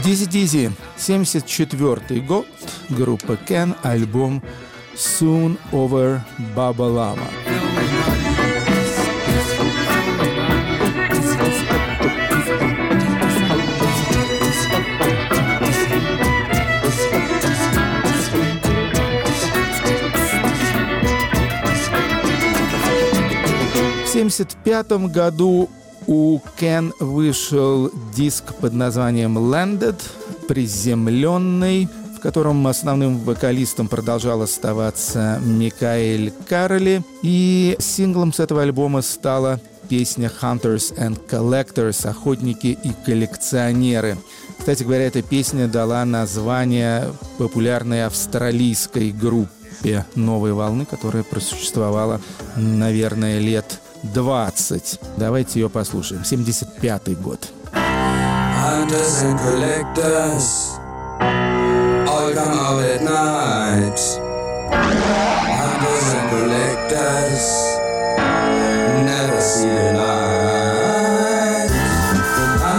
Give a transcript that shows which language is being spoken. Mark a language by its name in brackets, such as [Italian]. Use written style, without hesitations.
[Russian] Easy, 74-й год, группа Can, альбом Soon Over Baba Lama. В 1975 году у Can вышел диск под названием «Landed», «Приземленный», в котором основным вокалистом продолжал оставаться Микаэль Карли. И синглом с этого альбома стала песня «Hunters and Collectors» — «Охотники и коллекционеры». Кстати говоря, эта песня дала название популярной австралийской группе «Новой волны», которая просуществовала, наверное, лет 20. Давайте ее послушаем. 75-й год. [English] Hunters and collectors all come out at night. Hunters and collectors never see the light.